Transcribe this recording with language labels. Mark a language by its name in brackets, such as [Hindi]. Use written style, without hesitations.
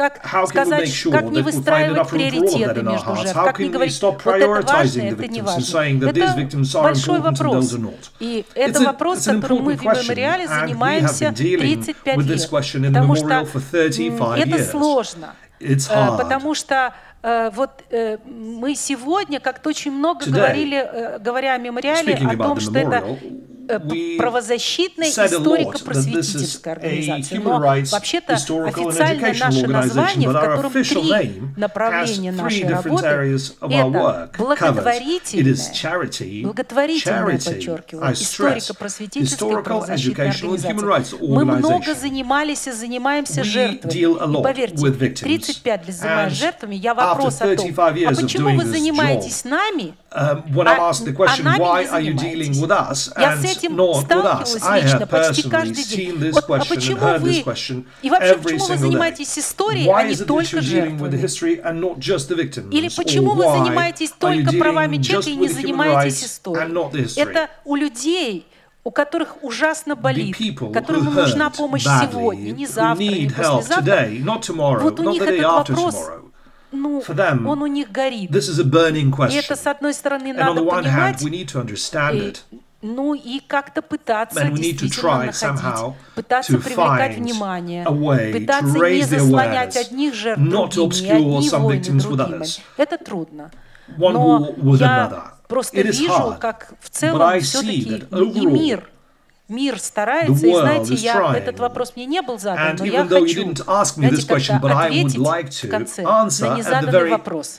[English] How can we make sure that we find enough room for all of that in our hearts? How can we stop prioritizing the victims and saying that these victims are important and those are not? It's an important question, and we have been dealing with this question in the memorial for 35 years. It's hard. [Russian] Мы сегодня как-то очень много говорили, говоря о мемориале, о том, что это правозащитная историко-просветительская организация. Но вообще-то официальное наше название, в котором три направления нашей работы, это благотворительная, подчеркиваю, историко-просветительская организация. Мы много занимались и занимаемся жертвами. И поверьте, 35 лет занимаюсь жертвами, я вопрос о том, а почему вы занимаетесь нами, [English] When I'm asked the question, why are you dealing with us and not with us? I have personally seen this question and heard this question every single day. Why is it that you're dealing with the history and not just the victims? [Russian] Или почему вы занимаетесь только правами человека и не занимаетесь историей? [English] And not the history. [Russian] Это у людей, у которых ужасно болит, которым нужна помощь сегодня, не завтра, не послезавтра. [English] Not tomorrow, not the day after tomorrow. For them, this is a burning question. And on the one hand, we need to understand it. And we need to try somehow to find a way to raise the awareness, not to obscure some victims with others. One war with another. It is hard. But I see that overall, [Russian] Мир старается, и знаете, я этот вопрос мне не был задан, and но я хочу, знаете, [English] question, [Russian] когда ответить like в конце на незаданный вопрос.